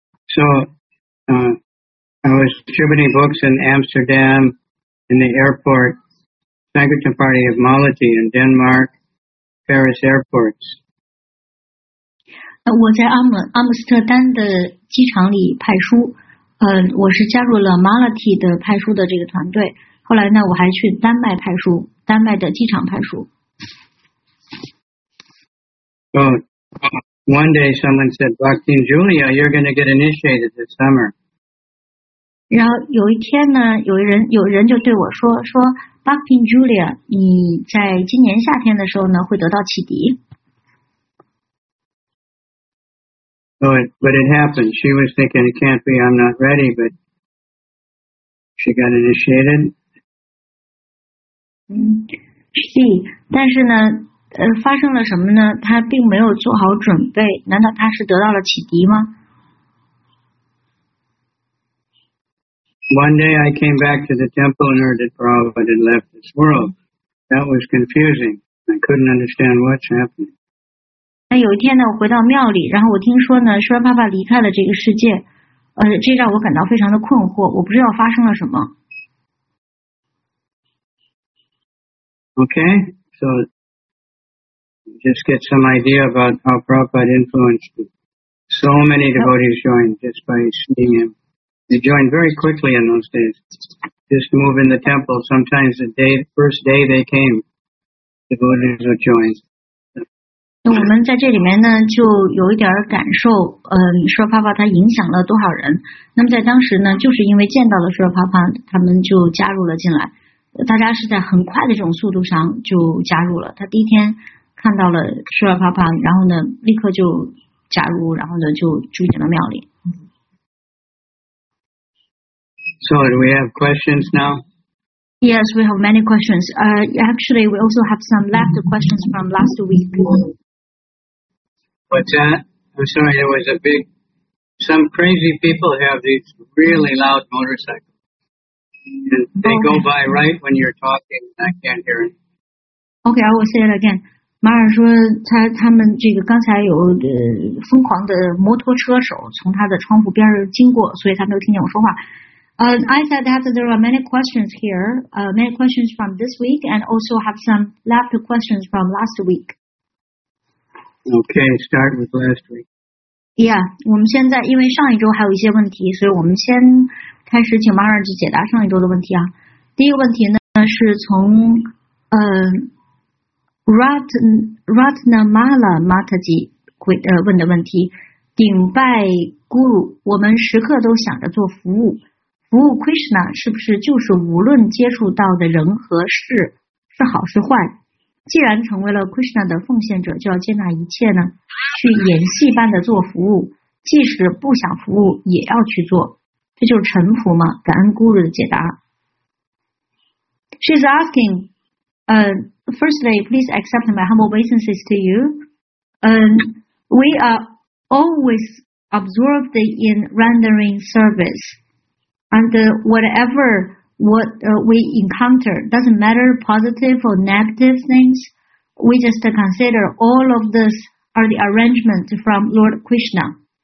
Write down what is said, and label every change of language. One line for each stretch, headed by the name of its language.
English: So, I was distributing books in Amsterdam in the airport, Sankirtan Party of Malati in Denmark, Paris airports.
Chinese: 我在阿姆斯特丹的机场里派书，我是加入了 Malati 的派书的这个团队。后来呢，我还去丹麦派书，丹麦的机场派书。
English: Oh, one day someone said, Bhakti and Julia, you're going to get initiated this summer.
Chinese: 然后有一天呢，有人就对我说 Bhakti and Julia, 你在今年夏天的时候呢，会得到启迪。
English: But it happened. She was thinking, it can't be, I'm not ready, but she got initiated.
Chinese: She, 但是呢发生了什么呢？他并没有做好准备，难道他是得到了启迪吗？
English: One day I came back to the temple and heard it brought but it left this world. That was confusing. I couldn't understand what's happening.
Chinese: 那有一天呢，我回到庙里，然后我听说呢，虚鸾爸爸离开了这个世界，这让我感到非常的困惑，我不知道发生了什么。
English: Okay, so just get some idea about how Prabhupada influenced so many devotees joined just by seeing him. They joined very quickly in those days. Just move in the temple. Sometimes the first day they came, devotees would join.
Chinese: 那我们在这里面呢，就有一点感受，舒拉帕帕他影响了多少人。那么在当时呢，就是因为见到了舒拉帕帕，他们就加入了进来。大家是在很快的这种速度上就加入了。他第一天看到了舒拉帕帕，然后呢立刻就加入，然后呢就住进了庙里。
English: So do we have questions now? Yes, we have many questions. Actually, we also have some left questions from last week. What's that? I'm sorry, there was a big... Some crazy people have these really loud motorcycles. And they go by right when you're talking, and I can't hear it. Okay, I will say it again.
Chinese: Mara 说他们这个刚才有疯狂的摩托车手从他的窗户边经过，所以他没有听见我说话。
English: I said that there are many questions here, many questions from this week, and also have some left questions from last week. Okay, start with last week.
Chinese: Yeah, 我们现在因为上一周还有一些问题，所以我们先开始请 Mara 去解答上一周的问题啊。第一个问题呢是从Ratnamala Mataji 问的问题，顶拜 Guru， 我们时刻都想着做服务。服务 Krishna 是不是就是无论接触到的人和事是好是坏，既然成为了 Krishna 的奉献者，就要接纳一切呢？去演戏般的做服务，即使不想服务也要去做，这就是臣服吗？感恩 Guru 的解答。
English: She's asking, firstly, please accept my humble obeisances to you. We are always absorbed in rendering service. And whatever we encounter, doesn't matter positive or negative things, we just consider all of this are the arrangement from Lord Krishna.